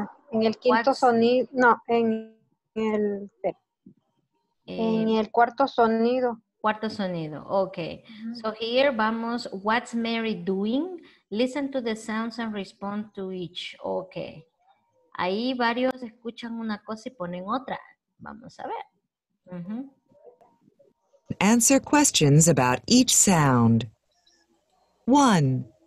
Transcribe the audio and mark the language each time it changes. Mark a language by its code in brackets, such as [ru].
[es] En el quinto sonido, no, en el cuarto sonido. Cuarto sonido, [en] okay. Mm-hmm. So here, [es] vamos, [en] what's Mary doing? Listen to the sounds and respond to each. Ok. [es] Ahí varios escuchan una cosa y ponen otra. Vamos a ver. [en] Answer questions about each sound. 1.